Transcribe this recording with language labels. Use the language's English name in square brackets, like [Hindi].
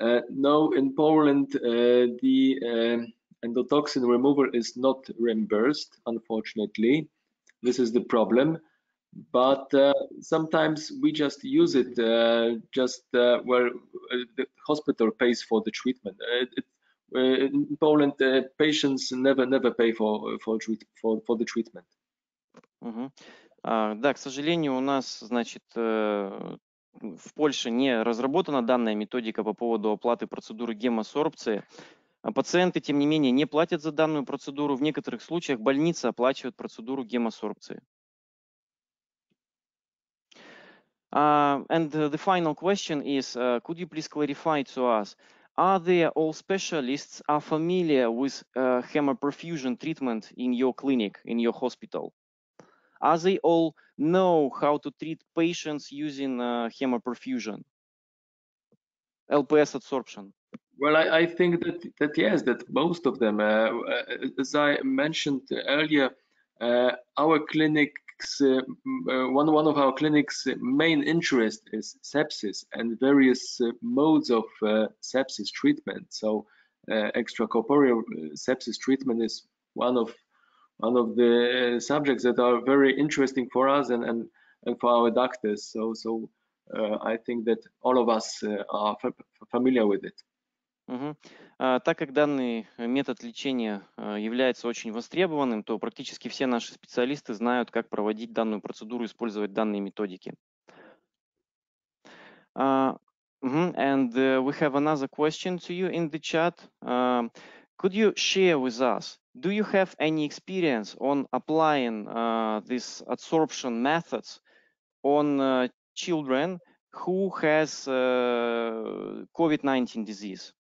[English] No, in Poland, the endotoxin removal is not reimbursed, unfortunately. This is the problem. But sometimes we just use it, the hospital pays for the treatment. In Poland, patients never pay for the treatment. [Russian] Да, к сожалению, у нас, значит, в Польше не разработана данная методика по поводу оплаты процедуры гемосорбции. Пациенты, тем не менее, не платят за данную процедуру. В некоторых случаях больница оплачивает процедуру гемосорбции. [English] And the final question is, could you please clarify to us, are there all specialists are familiar with hemoperfusion treatment in your clinic, in your hospital? Are they all know how to treat patients using hemoperfusion, LPS adsorption? Well, I think that yes, that most of them, as I mentioned earlier, our clinics, one of our clinics' main interest is sepsis and various modes of sepsis treatment. So extracorporeal sepsis treatment is one of the subjects that are very interesting for us and for our doctors. So I think that all of us are familiar with it. [Russian] Так как данный метод лечения является очень востребованным, то практически все наши специалисты знают, как проводить данную процедуру, использовать данные методики. [English] And we have another question to you in the chat. Could you share with us, do you have any experience on applying these adsorption methods on children who has COVID-19 disease?